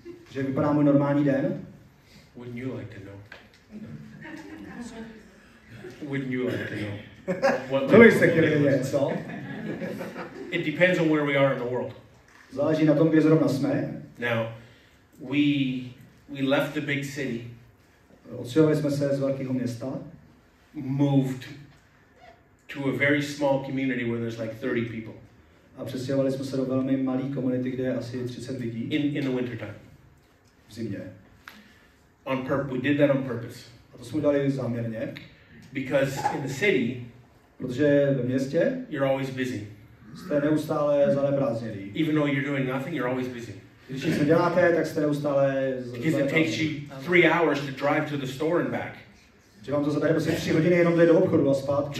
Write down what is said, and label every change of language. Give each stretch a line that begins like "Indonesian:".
Czech: Že vypadá můj normální den?
English: Wouldn't you like to know? Wouldn't you like to know?
Czech: To bych se chtěl vědět, co?
English: It depends on where we are in the world.
Czech: Záleží na tom, kde zrovna jsme.
English: Now, we left the big city.
Czech: Odsunuli jsme se z velkého města.
English: Moved to a very small community where there's like 30 people.
Czech: A přestěhovali jsme se do velmi malé komunity, kde je asi 30 lidí.
English: In the winter time.
Czech: V zimě.
English: We did that on purpose.
Czech: A to jsme udělali záměrně.
English: Because in the city,
Czech: protože ve městě,
English: you're always busy.
Czech: Jste neustále zaneprázdněný.
English: Even though you're doing nothing, you're always busy.
Czech: Když nic neděláte, tak jste neustále zaneprázdněný.
English: It takes you 3 hours to drive to the store and back.
Czech: Že vám to zabere prostě 3 hodiny jenom do obchodu a zpátky.